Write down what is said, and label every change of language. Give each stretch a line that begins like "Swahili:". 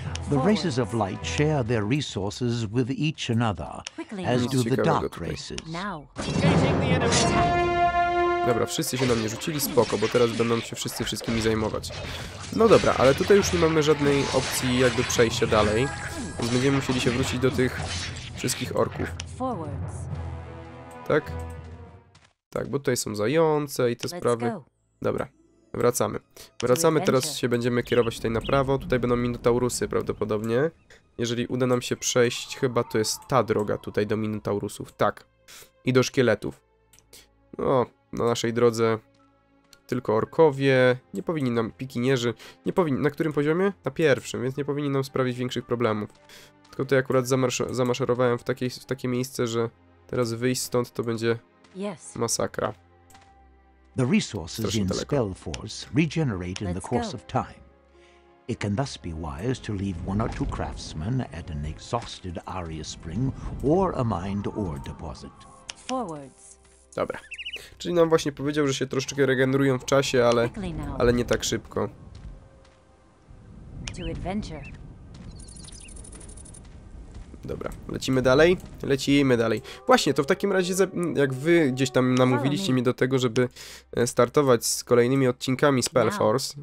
English: The races of light share their resources with each another, as do the dark races.
Polish: Dobra, wszyscy się na mnie rzucili, spoko, bo teraz będą się wszyscy wszystkimi zajmować. No dobra, ale tutaj już nie mamy żadnej opcji jakby przejścia dalej, więc będziemy musieli się wrócić do tych wszystkich orków. Tak? Tak, bo tutaj są zające i te sprawy. Dobra, Wracamy. Wracamy, teraz się będziemy kierować tutaj na prawo. Tutaj będą minotaurusy prawdopodobnie. Jeżeli uda nam się przejść, chyba to jest ta droga tutaj do minotaurusów. Tak. I do szkieletów. No, na naszej drodze tylko orkowie. Nie powinni nam pikinierzy. Nie powinni. Na którym poziomie? Na pierwszym, więc nie powinni nam sprawić większych problemów. Tylko tutaj akurat zamaszerowałem w takie miejsce, że teraz wyjść stąd to będzie masakra.
English: The resources in Spellforce regenerate in the course of time. It can thus be wise to leave one or two craftsmen at an exhausted Aria Spring or a mined ore deposit. Forwards.
Polish: Dobra. Czyli nam właśnie powiedział, że się troszeczkę regenerują w czasie, ale nie tak szybko.
English: To adventure.
Polish: Dobra, lecimy dalej? Lecimy dalej. Właśnie, to w takim razie, jak wy gdzieś tam namówiliście mnie do tego, żeby startować z kolejnymi odcinkami Spellforce.